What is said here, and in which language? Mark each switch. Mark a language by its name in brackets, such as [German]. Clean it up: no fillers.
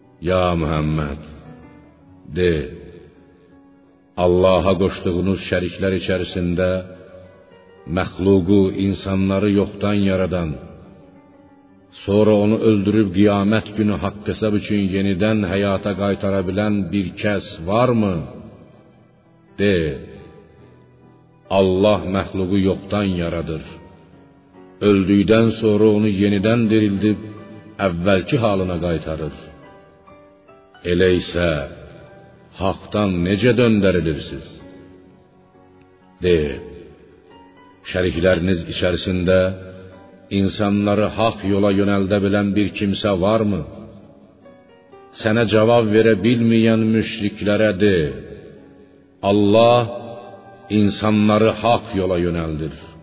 [Azerbaijani] Ya Muhammed, de, Allaha qoşduğunuz şəriklər içərisində məxluqu, insanları yoxdan yaradan, sonra onu öldürüb qiyamət günü haqq hesab üçün yenidən həyata qaytara bilən bir kəs varmı? De, Allah məxluqu yoxdan yaradır, [Turkish] öldüyden sonra onu yeniden dirildip evvelki halına qaytarır. [Azerbaijani] Elə isə haqdan necə döndərilirsiniz? De, şərikləriniz içərisində insanları haq yola yönəldə bilən bir kimsə varmı? Sənə cavab verə bilməyən müşriklərə de, Allah insanları haq yola yönəldir.